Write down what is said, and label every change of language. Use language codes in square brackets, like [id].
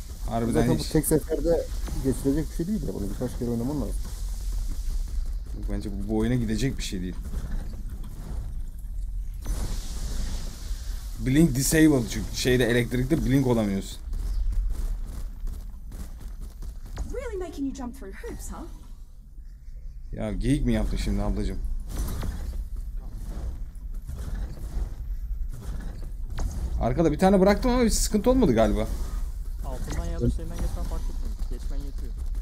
[tr] Harbiden hiç. Tek seferde geçilecek bir şey değil ya. Bunu birkaç kere oynaman lazım. Bence bu oyuna gidecek bir şey değil. Blink disabled çünkü şeyde elektrikte blink olamıyorsun. [en] Really making you jump through hoops, huh? [tr] Ya geyik mi yaptın şimdi ablacığım? Arkada bir tane bıraktım ama bir sıkıntı olmadı galiba. Altından ya da şeyden geçen fark etmedim. Geçmen yetiyor.